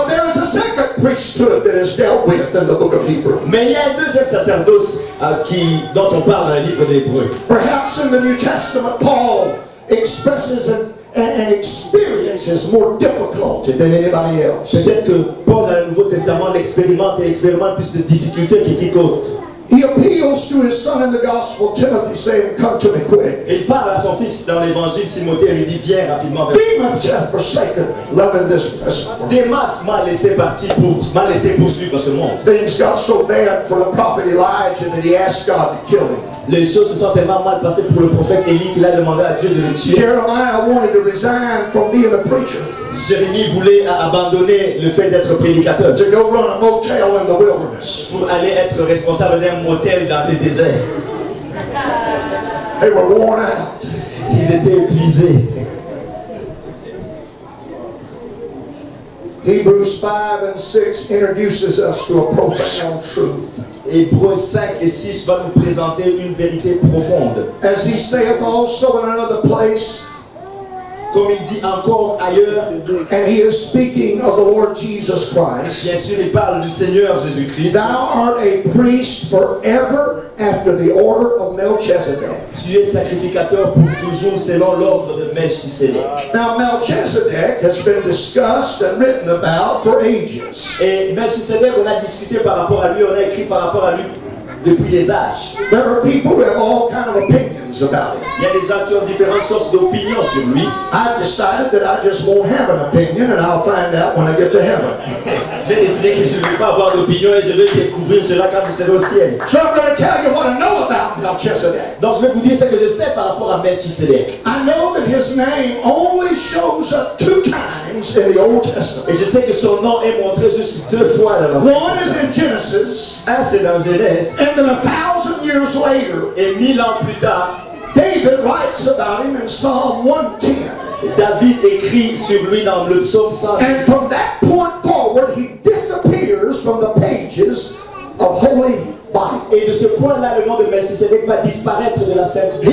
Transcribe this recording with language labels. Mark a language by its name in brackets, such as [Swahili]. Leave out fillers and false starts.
[English] But there is a second priesthood that is dealt with in the book of Hebrews. [French] Mais il y a un deuxième sacerdoce dont on parle dans le livre d'Hébreux. [English] Perhaps in the New Testament, Paul expresses an experience is more difficult than anybody else. [French] Peut-être que Paul dans le Nouveau Testament l'expérimente plus de difficultés que quiconque. [English] He appeals to his son in the gospel, Timothy, saying, "Come to me quick." [French] Il parle à son fils dans l'évangile Timothée et lui dit, viens rapidement. [English] Demas has forsaken loving this person. [French] Demas m'a laissé poursuivre ce monde. [English] Things got so bad for the prophet Elijah that he asked God to kill him. [French] Les choses se sont tellement mal passées pour le prophète Élie qu'il a demandé à Dieu de le tuer. [English] Jeremiah wanted to resign from being a preacher. [French] Jérémie voulait abandonner le fait d'être prédicateur. [English] To go run a motel in the wilderness. [French] Pour aller être responsable d'un motel dans le désert. [English] They were worn out. [French] Ils étaient épuisés. [English] Hebrews 5 and 6 introduces us to a profound truth. [French] Hébreux 5 et 6 va nous présenter une vérité profonde. [English] As he saith also in another place, [French] comme il dit encore ailleurs, [English] and he is speaking of the Lord Jesus Christ. [French] Bien sûr, il parle du Seigneur Jésus-Christ. [English] Thou art a priest forever after the order of Melchizedek. [French] Tu es sacrificateur pour toujours selon l'ordre de Melchizedek. [English] Now Melchizedek has been discussed and written about for ages. [French] Et Melchizedek, on a discuté par rapport à lui, on a écrit par rapport à lui depuis des âges. [English] There are people who have all kind of opinions about it. [French] Il y a des gens qui ont différentes sources d'opinions sur lui. [English] I've decided that I just won't have an opinion and I'll find out when I get to heaven. [French] J'ai décidé que je ne vais pas avoir d'opinion et je vais découvrir cela quand je serai au ciel. [English] So I'm going to tell you what I know about Melchizedek. [French] Donc je vais vous dire ce que je sais par rapport à Melchizedek. [English] I know that his name only shows up two times in the Old Testament. [French] Et je sais que son nom est montré juste deux fois dans l'Ancien [English] Testament. One is in Genesis. [French] Un c'est dans Genèse. [English] And then 1,000 years later, [French] et 1,000 ans plus tard, [English] David writes about him in Psalm 110. [French] David écrit sur lui dans le psaume 110. [English] And from that point forward, he disappears from the pages of Holy Bible. [French] Et de ce point-là, le nom de Melchizedek va disparaître de la Sainte Bible.